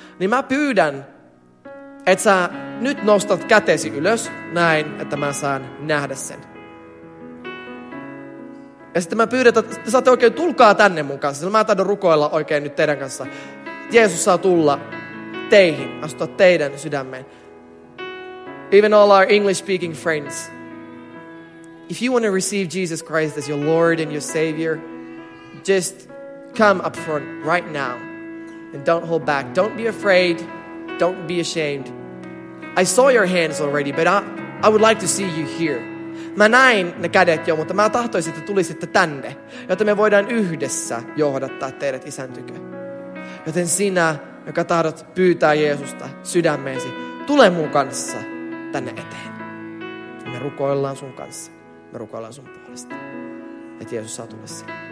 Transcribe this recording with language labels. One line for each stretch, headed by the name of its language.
Finnish: Niin mä pyydän, että sä nyt nostat kätesi ylös näin, että mä saan nähdä sen. Ja sitten mä pyydän, että te saatte oikein tulkaa tänne mun kanssa. Sillä mä tahdon rukoilla oikein nyt teidän kanssa. Jeesus saa tulla teihin, astua teidän sydämeen.
English: Even all our English-speaking friends. If you want to receive Jesus Christ as your Lord and your Savior, just come up front right now. And don't hold back. Don't be afraid. Don't be ashamed. I saw your hands already, but I would like to see you here.
Finnish: Mä näin ne kädet jo, mutta mä tahtoisin, että tulisitte tänne, jotta me voidaan yhdessä johdattaa teidät isän tykö. Joten sinä, joka tahdot pyytää Jeesusta sydämeesi, tule mun kanssa tänne eteen. Me rukoillaan sun kanssa. Me rukoillaan sun puolesta. Että Jeesus saa tulla sinne.